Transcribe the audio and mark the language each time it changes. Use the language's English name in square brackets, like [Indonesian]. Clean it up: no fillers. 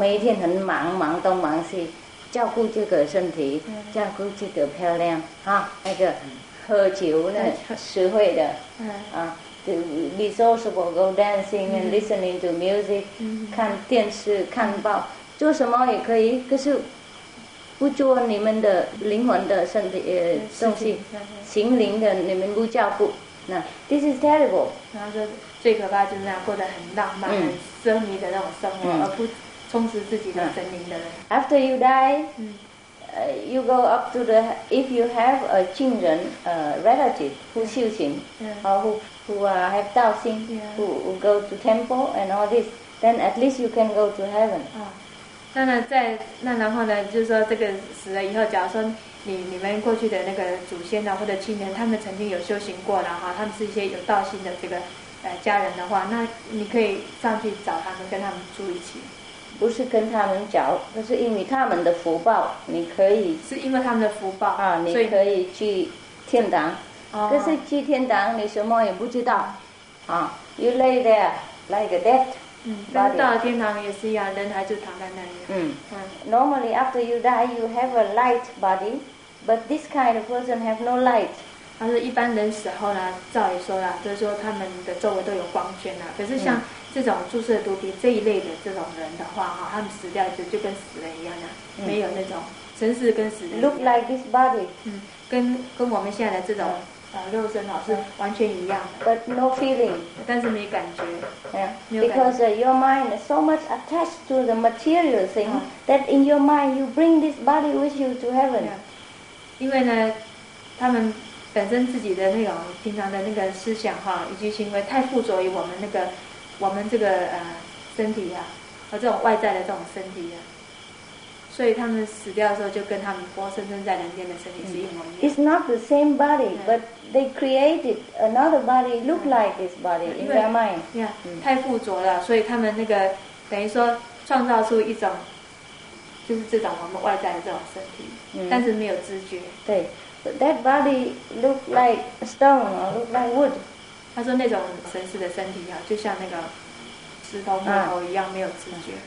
[Chinese] 每一天很忙，忙东忙西。照顾这个身体，照顾这个漂亮哈，那个喝酒那实惠的， [English] to be sociable, go dancing and listening to music, [Chinese] 看电视看报，做什么也可以，可是不做你们的灵魂的身体东西，心灵的你们不照顾，那 [English] this is terrible。 [Chinese] 然后说最可怕就是那样过得很浪漫、很奢靡的那种生活，而不。充实自己的神灵的人。 [English] After you die, you go up to the. If you have a 亲人, a relative who 修行, or who have 道心, who go to temple and all this, then at least you can go to heaven. [Chinese] 然后呢，就是说这个死了以后，假如说你们过去的那个祖先呢，或者亲人，他们曾经有修行过，然后他们是一些有道心的这个家人的话，那你可以上去找他们，跟他们住一起。不是跟他们讲，那是因为他们的福报，你可以是因为他们的福报啊，你可以去天堂。可是去天堂，你什么也不知道啊 ， [English] You lay there like a dead。 [Chinese] 但是到了天堂也是一样，人还就躺在那里。 [English] Normally after you die, you have a light body, but this kind of person have no light. [Chinese] 他说一般人死后呢，照理说啦，就是说他们的周围都有光圈啦，可是像这种注射毒品这一类的这种人的话哈，他们死掉就跟死人一样啦，没有那种神识跟死人 [English] look like this body， [Chinese] 跟我们现在的这种肉身哦是完全一样的。 [English] But no feeling， [Chinese] 但是没感觉。 [English] Yeah. Because your mind is so much attached to the material thing that in your mind you bring this body with you to heaven。 [Chinese] 因为呢，他们本身自己的那种平常的那个思想哈以及行为太附着于我们那个我们这个身体啊，和这种外在的这种身体啊。所以他们死掉的时候就跟他们活生生在人间的身体是一模一样。 [English] It's not the same body, but they created another body look like this body in their mind. [Chinese] Yeah, 太附着了，所以他们那个等于说创造出一种就是这种我们外在的这种身体，但是没有知觉。 [English] 对 ，But that body look like stone or look like wood. [Chinese] 他说那种神识的身体啊，就像那个石头木头一样没有知觉